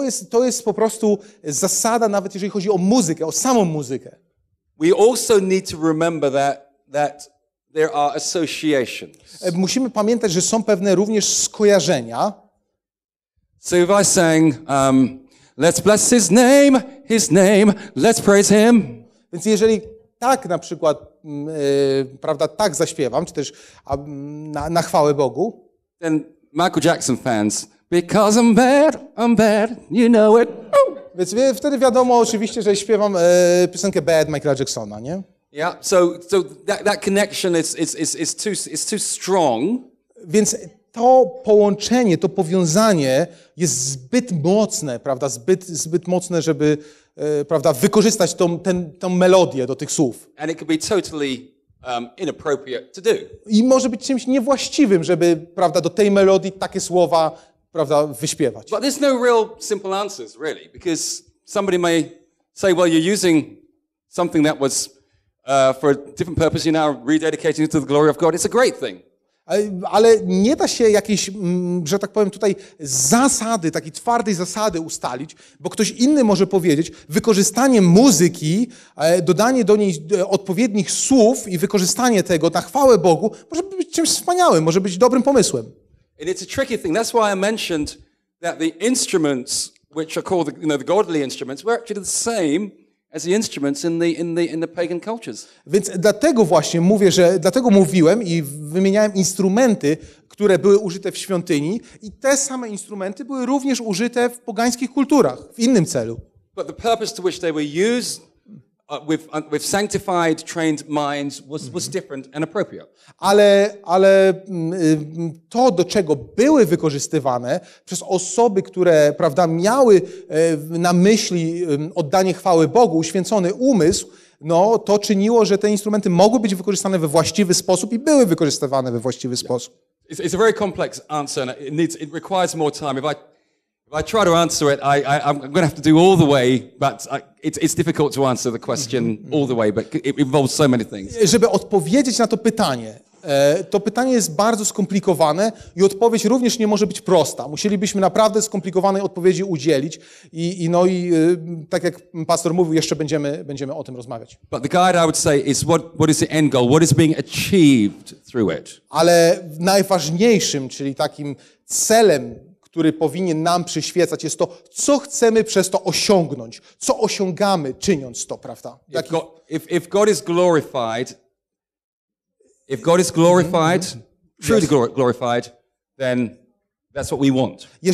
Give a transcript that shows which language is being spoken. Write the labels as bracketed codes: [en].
[pl] To jest po prostu zasada, nawet jeżeli chodzi o muzykę, o samą muzykę. [en] We also need to remember that there are associations. [pl] Musimy pamiętać, że są pewne również skojarzenia. [en] So if I sang, let's bless his name, let's praise him. [pl] Więc jeżeli tak na przykład prawda, tak zaśpiewam, czy też na chwałę Bogu. [en] Then Michael Jackson fans, because I'm bad, you know it. [pl] Więc wtedy wiadomo oczywiście, że śpiewam piosenkę Bad Michaela Jacksona, nie? [en] Yeah, so that connection is too strong. [pl] Więc to połączenie, to powiązanie jest zbyt mocne, prawda, zbyt mocne, żeby prawda, wykorzystać tą melodię do tych słów. [en] And it could be totally, inappropriate to do. [pl] I może być czymś niewłaściwym, żeby prawda, do tej melodii takie słowa prawda, wyśpiewać. [en] But there's no real simple answers, really, because somebody may say, well, you're using something that was for a different purpose, you're now rededicating it to the glory of God. It's a great thing. [pl] Ale nie da się jakiejś, że tak powiem, tutaj zasady, takiej twardej zasady ustalić, bo ktoś inny może powiedzieć, wykorzystanie muzyki, dodanie do niej odpowiednich słów i wykorzystanie tego na chwałę Bogu może być czymś wspaniałym, może być dobrym pomysłem. [en] And it's a tricky thing. That's why I mentioned that the instruments, which are called the godly instruments, were actually the same as the instruments in the pagan cultures. [pl] Więc dlatego właśnie mówię, że dlatego mówiłem i wymieniałem instrumenty, które były użyte w świątyni i te same instrumenty były również użyte w pogańskich kulturach w innym celu. [en] But the purpose to which they were used with sanctified trained minds was different and appropriate. [pl] Ale to, do czego były wykorzystywane przez osoby, które prawda miały na myśli oddanie chwały Bogu, uświęcony umysł, no to czyniło, że te instrumenty mogły być wykorzystane we właściwy sposób i były wykorzystywane we właściwy sposób. [en] It's a very complex answer and it requires more time. If I try to answer it, I'm going to have to do all the way, but it's difficult to answer the question all the way, but it involves so many things. [pl] Żeby odpowiedzieć na to pytanie, To pytanie jest bardzo skomplikowane i odpowiedź również nie może być prosta. Musielibyśmy naprawdę skomplikowanej odpowiedzi udzielić i tak jak pastor mówił, jeszcze będziemy o tym rozmawiać. [en] But the guide I would say is what is the end goal? What is being achieved through it? [pl] Ale najważniejszym, czyli takim celem, który powinien nam przyświecać, jest to, co chcemy przez to osiągnąć, co osiągamy czyniąc to, prawda? Taki... [en] If God is glorified, if God is glorified, truly glorified, then that's what we want.